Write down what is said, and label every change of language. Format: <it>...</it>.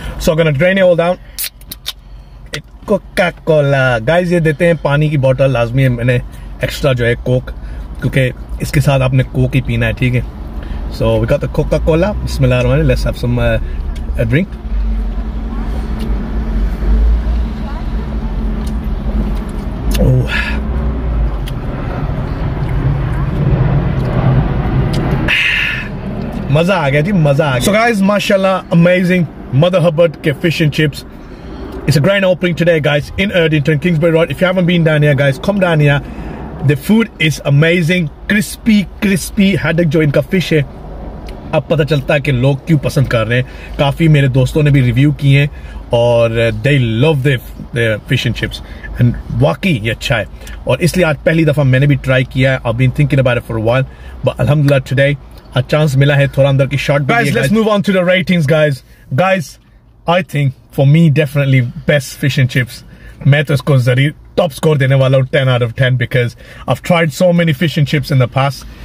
<en>So I'm going to drain it all down. It's Coca-Cola.</en> <ur>Guys, یہ دیتے ہیں پانی کی بوتل. لازمی ہے میں نے ایکسٹرا جو ہے کوک. کیونکہ اسکے ساتھ آپ نے کوک ہی پینا ہے، ٹھیک ہے?</ur> <en>So we got the Coca-Cola.</en> <ar>Bismillah ar-Rahman.</ar> <en>Let's have some a drink. Oh.</en> <ur>مزہ آ گیا جی، مزہ آ گیا.</ur> <en>So guys,</en> <ur>ماشاءاللہ, amazing Motherhubbard کے fish and chips.</ur> <en>It's a grand opening today, guys, in Erdington, Kingsbury Road. If you haven't been down here, guys, come down here. The food is amazing, crispy, crispy.</en> <ur>ہیڈاک جو انکا fish ہے. اب پتا چلتا ہے کہ لوگ کیوں پسند کر رہے ہیں. کافی میرے دوستوں نے بھی ریویو کیے ہیں اور</ur> <en>they love their fish and chips.</en> <ur>And واقعی یہ اچھا ہے. اور اسلئے آج پہلی دفعہ میں نے بھی ٹرائی کیا ہے.</ur> <en>I've been thinking about it for a while, but alhamdulillah today a chance</en> <ur>mila hai thoda andar ki shot</ur> <en>bhi. Guys, let's move on to the ratings, guys. Guys, I think for me definitely best fish and chips.</en> <ur>Main to isko zarur</ur> <en>top score dene wala 10 out of 10 because I've tried so many fish and chips in the past.</en>